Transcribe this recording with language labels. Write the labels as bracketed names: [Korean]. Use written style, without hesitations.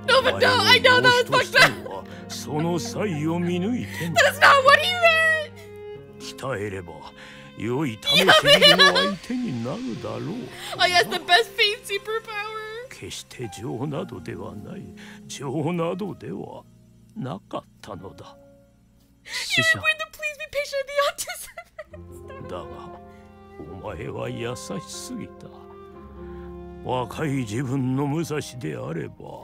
[English] No, no, I know that was fucked up! [Japanese] その際を見抜いて。 [English] That's not what he meant! [Japanese] 鍛えれば、良い試しの相手になるだろう。 [English] I got the best paint superpower! [Japanese] 決して情などではない、情などでは。なかったのだ。師匠。 [English] Yeah, I'm going to please be patient with the autism. [Japanese] だが、お前は優しすぎた。若い自分の武蔵であれば。